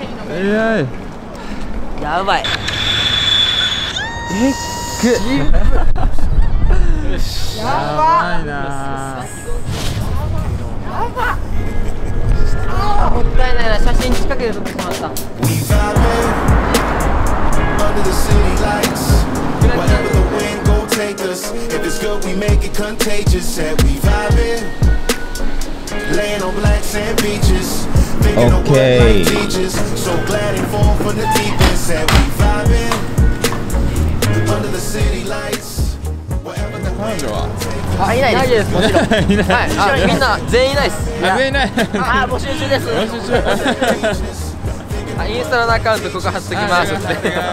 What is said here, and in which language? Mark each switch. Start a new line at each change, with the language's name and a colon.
Japanese: い。えやい。やばい。えっく。やば。やばいな。やば。もったいないな、写真近くで撮ってしまった。
English: We vibe under the city lights. Whatever the wind go take us. If it's good we make it contagious. Said we vibe laying on black sand beaches. Okay. So glad it fall from the deep end. Said we vibe under the city lights. Whatever the wind go take us.
Japanese: あ、いないです、もちろん。はい、みんな、全員いないっす。全員いない。あ、募集中です。募集中。あ、インスタのアカウントここ貼っときますって。